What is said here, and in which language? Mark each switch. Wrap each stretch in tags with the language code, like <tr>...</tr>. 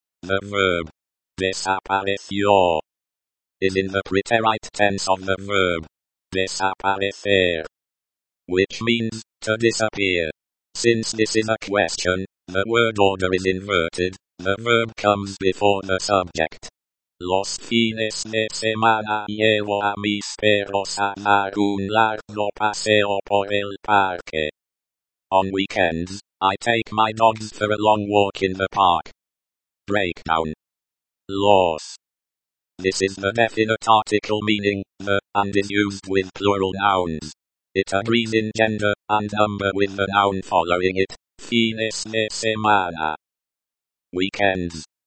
<en>The verb desapareció is in the preterite tense of the verb desaparecer, which means to disappear. Since this is a question, the word order is inverted. The verb comes before the subject.</en> <es>Los fines de semana llevo a mis perros a dar un largo paseo por el parque.</es> <en>On weekends, I take my dogs for a long walk in the park. Breakdown. Los. This is the definite article meaning the, and is used with plural nouns. It agrees in gender and number with the noun following it,</en> <es>fines de semana.</es> <en>Weekends.</en>